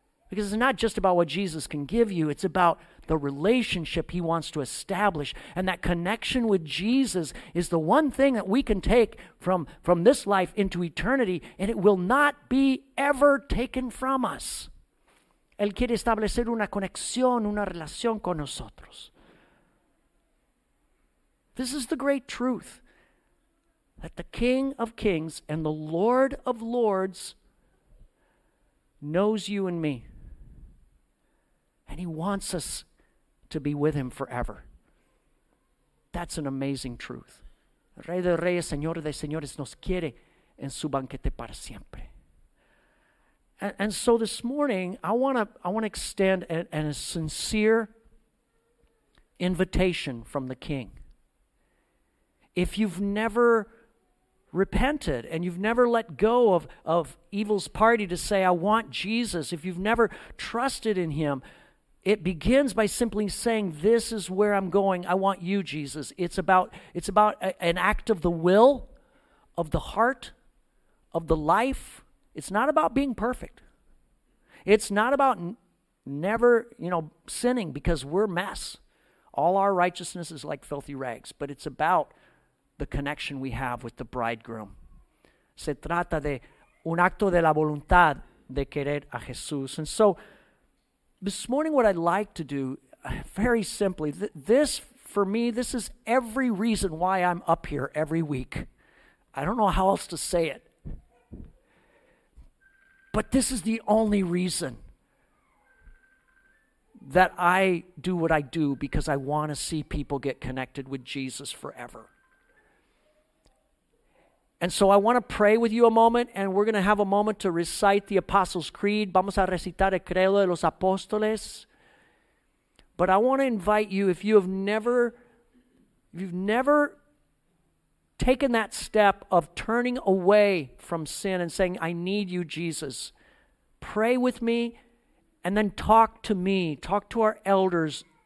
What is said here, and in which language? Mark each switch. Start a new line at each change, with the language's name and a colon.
English: Because it's not just about what Jesus can give you. It's about the relationship he wants to establish. And that connection with Jesus is the one thing that we can take from this life into eternity, and it will not be ever taken from us.
Spanish: Él quiere establecer una conexión, una relación con nosotros.
English: This is the great truth, that the King of Kings and the Lord of Lords knows you and me, and he wants us to be with him forever. That's an amazing truth.
Spanish: Rey de Reyes, Señor de Señores, nos quiere en su banquete para siempre.
English: And so this morning, I want to extend a sincere invitation from the King. If you've never repented and you've never let go of evil's party to say, I want Jesus, if you've never trusted in him, it begins by simply saying, this is where I'm going. I want you, Jesus. It's about an act of the will, of the heart, of the life. It's not about being perfect. It's not about never sinning, because we're a mess. All our righteousness is like filthy rags, but it's about the connection we have with the bridegroom.
Spanish: Se trata de un acto de la voluntad de querer a Jesús.
English: And so this morning what I'd like to do, very simply, this for me, this is every reason why I'm up here every week. I don't know how else to say it. But this is the only reason that I do what I do because I want to see people get connected with Jesus forever. And so I want to pray with you a moment, and we're going to have a moment to recite the Apostles' Creed.
Spanish: Vamos a recitar el credo de los apóstoles.
English: But I want to invite you, if you've never taken that step of turning away from sin and saying, I need you, Jesus, pray with me and then talk to me, talk to our elders.